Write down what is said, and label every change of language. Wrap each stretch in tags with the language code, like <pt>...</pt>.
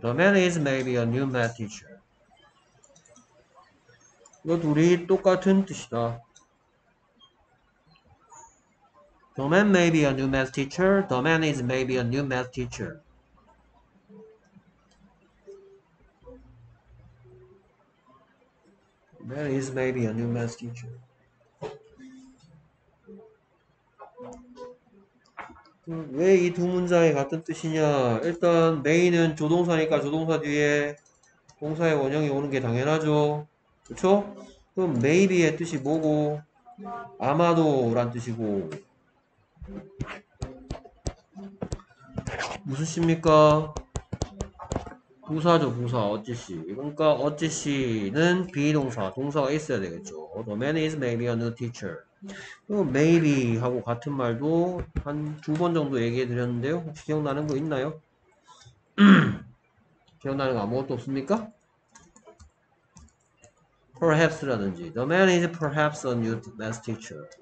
<en>The man is maybe a new math teacher.</en> <ko>이거 둘이 똑같은 뜻이다.</ko> <en>The man may be a new math teacher. The man is maybe a new math teacher. The man is maybe a new math teacher.</en> <ko>왜이두 문장이 같은 뜻이냐? 일단 메인은 조동사니까 조동사 뒤에 동사의 원형이 오는 게 당연하죠. 그렇죠? 그럼 maybe의 뜻이 뭐고? 아마도란 뜻이고. 무슨 씨입니까? 부사죠, 부사. 어찌씨. 그러니까 어찌씨는 비동사, 동사가 있어야 되겠죠.</ko> <en>The man is maybe a new teacher.</en> <ko>그 maybe 하고 같은 말도 한두번 정도 얘기해 드렸는데요. 혹시 기억나는 거 있나요? 기억나는 거 아무것도 없습니까?</ko> <en>Perhaps라든지 The man is perhaps a new math teacher.</en>